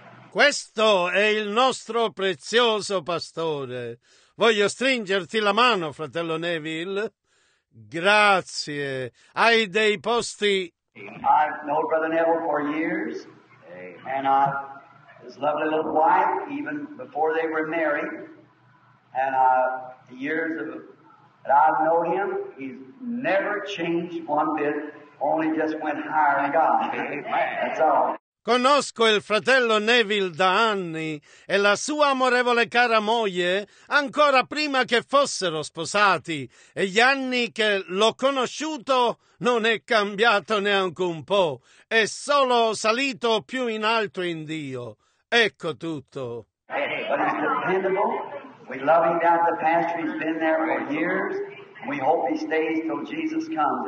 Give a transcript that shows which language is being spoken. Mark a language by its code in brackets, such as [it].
[it] Questo è il nostro prezioso pastore. Voglio stringerti la mano, fratello Neville. Grazie. Hai dei posti? [en] I've known Brother Neville for years, and his lovely little wife, even before they were married, and the years that I've known him, he's never changed one bit. Only just went higher in God. That's all. [it] Conosco il fratello Neville da anni e la sua amorevole cara moglie ancora prima che fossero sposati, e gli anni che l'ho conosciuto non è cambiato neanche un po', è solo salito più in alto in Dio. Ecco tutto. [en] But he's dependable. We love him down the pastor. He's been there for years. We hope he stays till Jesus comes.